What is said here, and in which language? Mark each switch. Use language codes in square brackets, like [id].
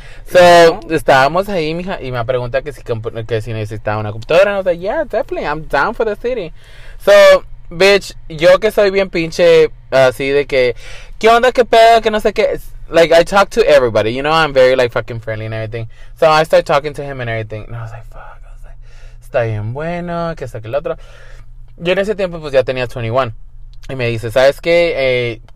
[es] So, estábamos ahí, mija, y me pregunta que si necesitaba una computadora. [en] I was like, yeah, definitely, I'm down for the city. [es] So, bitch, yo que soy bien pinche, así de que, ¿qué onda, qué pedo, que no sé qué? [en] It's, like, I talk to everybody, you know, I'm very, like, fucking friendly and everything. So, I start talking to him and everything. And I was like, [es] fuck, I was like, está bien bueno, que está que el otro. Yo en ese tiempo, pues, ya tenía 21. Y me dice, ¿sabes qué?